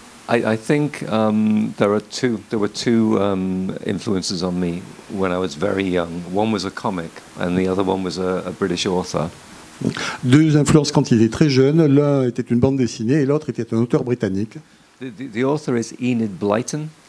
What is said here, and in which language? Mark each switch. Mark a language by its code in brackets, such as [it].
[en] I think there were two influences on me when I was very young. One was a comic, and the other one was a British author. [fr] Deux influences quand il était très jeune. L'un était une bande dessinée, et l'autre était un auteur britannique. [en] The author is Enid Blyton.